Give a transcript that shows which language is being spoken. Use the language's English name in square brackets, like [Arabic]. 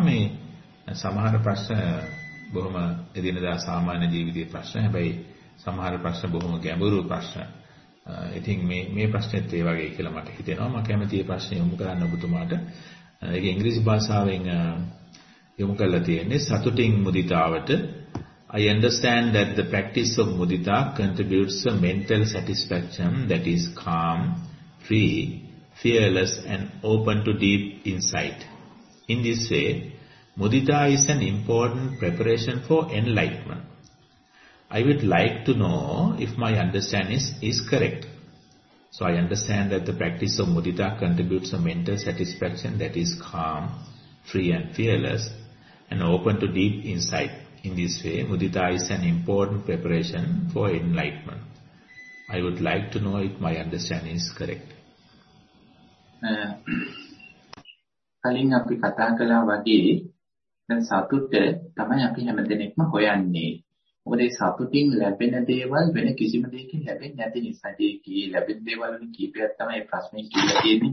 [Sinhala] මේ සමහර ප්‍රශ්න බොහොම එදිනදා සාමාන්‍ය ජීවිතයේ ප්‍රශ්න, හැබැයි සමහර ප්‍රශ්න බොහොම ගැඹුරු ප්‍රශ්න. ඉතින් මේ ප්‍රශ්නෙත් ඒ වගේ කියලා මට හිතෙනවා. මම කැමති මේ ප්‍රශ්නේ යොමු කරන්න ඔබතුමාට. ඒක ඉංග්‍රීසි භාෂාවෙන් යොමු කරලා තියෙන්නේ, සතුටින් මුදිතාවට. [English] I understand that the practice of mudita contributes a mental satisfaction that is calm, free, fearless and open to deep insight. In this way, mudita is an important preparation for enlightenment. I would like to know if my understanding is correct. So I understand that the practice of mudita contributes a mental satisfaction that is calm, free and fearless and open to deep insight. In this way, mudita is an important preparation for enlightenment. I would like to know if my understanding is correct. [Sinhala] කලින් අපි කතා කළා වගේ දැන් සතුට තමයි අපි හැම දිනෙකම හොයන්නේ. මොකද ඒ සතුටින් ලැබෙන දේවල් වෙන කිසිම දෙයකින් ලැබෙන්නේ නැති නිසා. ඒකේ ලැබෙන දේවල් වලින් කීපයක් තමයි ප්‍රශ්නේ කියලා කියන්නේ.